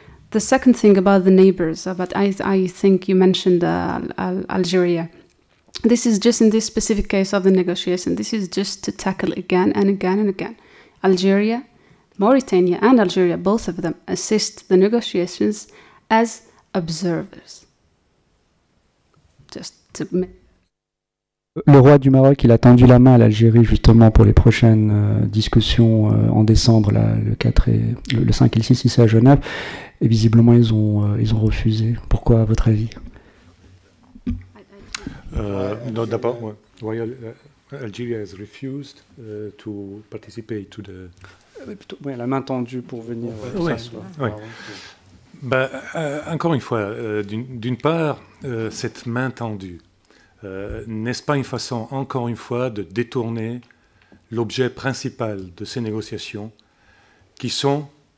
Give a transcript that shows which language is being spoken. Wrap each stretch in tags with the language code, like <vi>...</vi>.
<en>The second thing about the neighbors, about I think you mentioned Algeria. This is just in this specific case of the negotiation. This is just to tackle again and again and again. Algeria, Mauritania and Algeria, both of them assist the negotiations as observers. Just to</en> <fr>Le roi du Maroc, il a tendu la main à l'Algérie justement pour les prochaines discussions en décembre, là, le 4 et le 5 et le 6 ici à Genève. Et visiblement, ils ont refusé. Pourquoi, à votre avis? Non, d'abord,</fr> <en>why Algeria has refused to participate to the.</en> <fr>Oui, la main tendue pour venir. Oui. Bah, encore une fois, d'une part, cette main tendue. N'est-ce pas une façon, encore une fois, de détourner l'objet principal de ces négociations qui sont</fr>